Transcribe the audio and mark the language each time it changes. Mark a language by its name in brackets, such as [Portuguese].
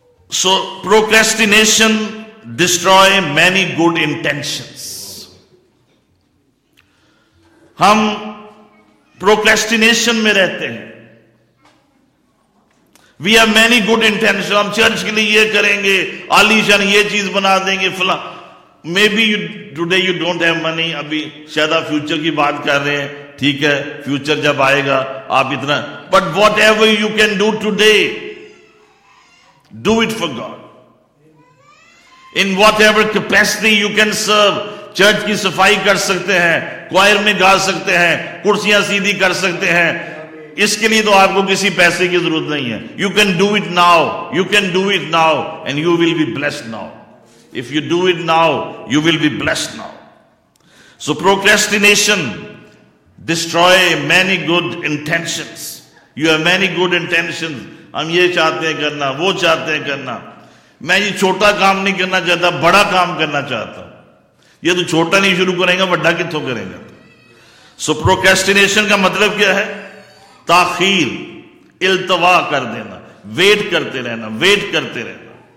[English] So procrastination destroy many good intentions. [Urdu] ہم procrastination میں رہتے ہیں. [English] we have many good intention, [Urdu] ہم چرچ کے لیے یہ کریں گے، آلیشان یہ چیز بنا دیں گے، فلاں. [English] maybe you today you don't have money, [Urdu] ابھی شاید آپ فیوچر کی بات کر رہے ہیں، ٹھیک ہے، فیوچر جب آئے گا آپ اتنا. [English] But whatever you can do today, do it for God. In whatever capacity you can serve, [Urdu] church کی صفائی کر سکتے ہیں، choir میں گا سکتے ہیں، کرسیاں سیدھی کر سکتے ہیں، اس کے لیے تو آپ کو کسی پیسے کی ضرورت نہیں ہے. [English] You can do it now, you can do it now, and you will be blessed now. If you do it now, you will be blessed now. So procrastination destroy many good intentions. You have many good intentions. [Urdu] ہم یہ چاہتے ہیں کرنا، وہ چاہتے ہیں کرنا. میں یہ چھوٹا کام نہیں کرنا چاہتا، بڑا کام کرنا چاہتا ہوں. یہ تو چھوٹا نہیں شروع کریں گا، بڑا کتوں کریں گا؟ سو پروکریسٹینیشن کا مطلب کیا ہے؟ تاخیر، التوا کر دینا، ویٹ کرتے رہنا، ویٹ کرتے رہنا.